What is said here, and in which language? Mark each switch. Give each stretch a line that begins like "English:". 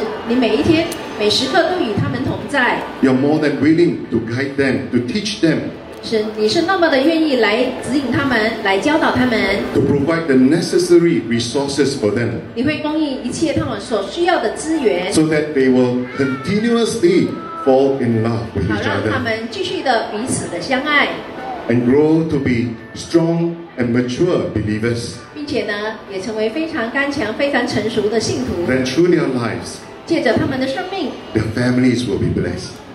Chinese: 我们也知道你应许从今天开始,你每一天,每时刻都与他们同在。
English: You're more than willing to guide them, to teach them.
Chinese: 你是那么的愿意来指引他们,来教导他们。
English: To provide the necessary resources for them.
Chinese: 你会供应一切他们所需要的资源。
English: So that they will continuously fall in love with each other.
Chinese: 好让他们继续的彼此的相爱。
English: And grow to be strong and mature believers.
Chinese: 并且呢,也成为非常刚强,非常成熟的信徒。
English: Then through their lives,
Chinese: 借着他们的生命,
English: their families will be blessed.